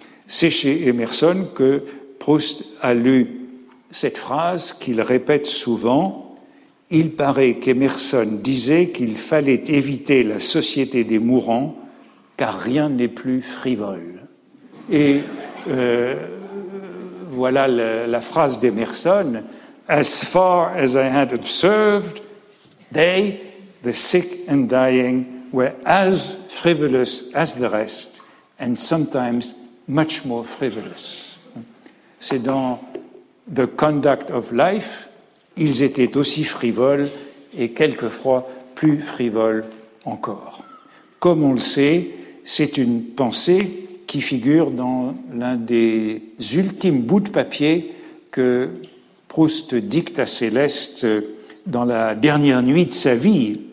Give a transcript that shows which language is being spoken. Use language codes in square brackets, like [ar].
[fr] C'est chez Emerson que Proust a lu cette phrase qu'il répète souvent. Il paraît qu'Emerson disait qu'il fallait éviter la société des mourants car rien n'est plus frivole. Et voilà la phrase d'Emerson. [en] As far as I had observed, they, the sick and dying, were as frivolous as the rest, and sometimes much more frivolous. [fr] C'est dans The Conduct of Life, ils étaient aussi frivoles et quelquefois plus frivoles encore. Comme on le sait, c'est une pensée qui figure dans l'un des ultimes bouts de papier que Proust dicte à Céleste dans la dernière nuit de sa vie,